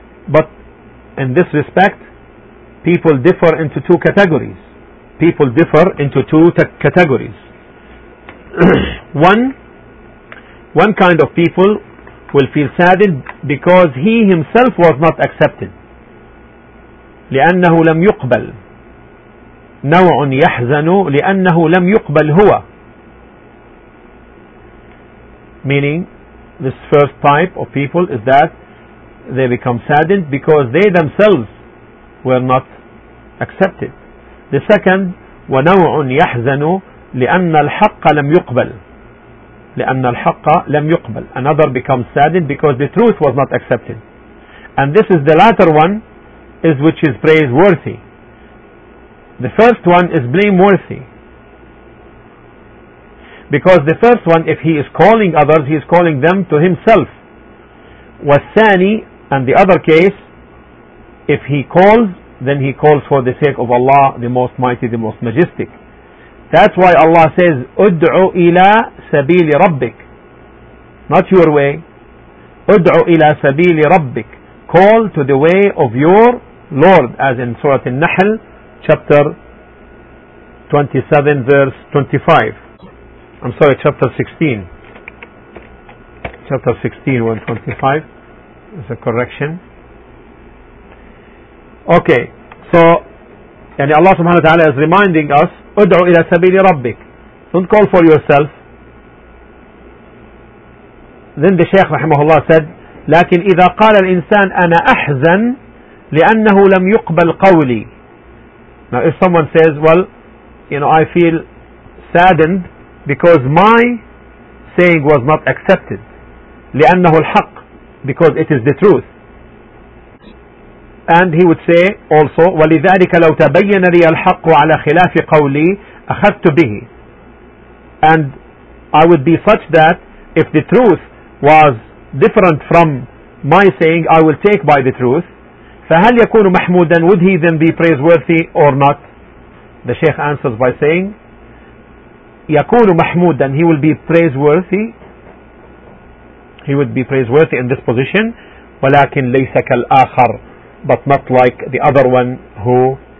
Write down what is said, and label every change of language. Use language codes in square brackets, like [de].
[en] But in this respect, people differ into two categories. People differ into two categories. One kind of people will feel saddened because he himself was not accepted. [ar] لأنه لم يقبل نوع يحزن لأنه لم يقبل هو. [en] Meaning, this first type of people is that they become saddened because they themselves were not accepted. The second, [ar] ونوع يحزن لأن الحق لم يقبل لأن الحق لم يقبل. [en] Another becomes saddened because the truth was not accepted. And this is the latter one, is which is praiseworthy. The first one is blameworthy. Because the first one, if he is calling others, he is calling them to himself. [ar] والثاني, [en] and the other case, if he calls, then he calls for the sake of Allah, the Most Mighty, the Most Majestic. That's why Allah says, [ar] ادعو إلى سبيل ربك. [en] Not your way. [ar] ادعو إلى سبيل ربك. [en] Call to the way of your Lord, as in Surah An-Nahl, chapter 27, verse 25. I'm sorry, chapter 16, 125 is a correction. Okay, so يعني Allah subhanahu wa ta'ala is reminding us, [ar] ادعو إلى سبيل ربك. [en] Don't call for yourself. Then the Shaykh [ar] رحمه الله said, لكن إذا قال الإنسان أنا أحزن لأنه لم يقبل قولي. [en] Now if someone says, well, you know, I feel saddened because my saying was not accepted. [ar] لأنه الحق, [en] because it is the truth. And he would say also, [ar] ولذلك لو تبين لي الحق على خلاف قولي أخذت به. [en] And I would be such that if the truth was different from my saying, I will take by the truth. [ar] فهل يكون محمودا? [en] Would he then be praiseworthy or not? The Shaykh answers by saying, [ar] يكون محمودا, [en] he will be praiseworthy, he would be praiseworthy in this position, [ar] ولكن ليس كالآخر, [en] but not like the other one who